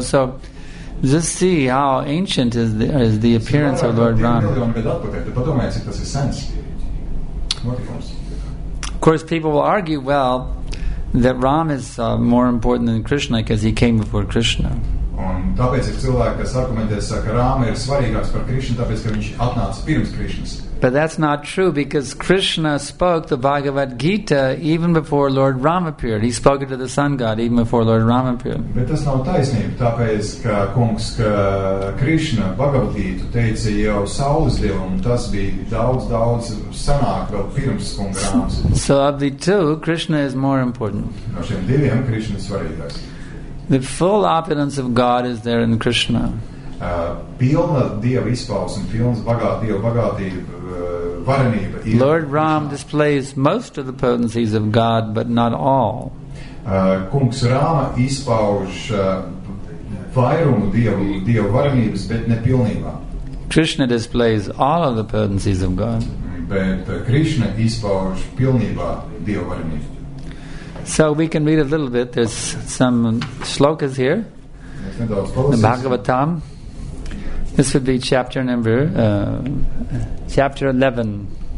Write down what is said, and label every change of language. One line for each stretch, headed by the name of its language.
English: So just see how ancient is the appearance of Lord Ram. Of course, people will argue, well, that Ram is more important than Krishna because he came before Krishna.
Latvian: Un tāpēc ir cilvēki, kas argumentēs, ka Rāma ir svarīgāks par Krišnu, tāpēc, ka viņš atnāca pirms Krišnas.
English: But that's not true, because Krishna spoke the Bhagavad Gita even before Lord Rama appeared. He spoke it to the sun god even before Lord Rama appeared.
Latvian: Bet tas nav taisnība, tāpēc, ka kungs, ka Krišna Bhagavad Gita teica jau saules dievam, tas bija daudz, daudz sanāk vēl pirms kunga Rāmas.
English: So of the two, Krishna is more important.
Latvian: No šiem diviem Krišna ir svarīgāks.
English: The full opulence of God is there in Krishna.
Latvian: Pilna Dieva izpausme, pilns bagātība, Dieva bagātība, varenība.
English: Lord Ram displays most of the potencies of God, but not all.
Latvian: Kungs Rāma izpauž vairumu dievu varenības, bet ne pilnībā.
English: Krishna displays all of the potencies of God.
Latvian: Bet Krishna izpauž pilnībā dievu varenību.
English: So we can read a little bit. There's some slokas here. The Bhagavatam. This would be chapter number, chapter 11.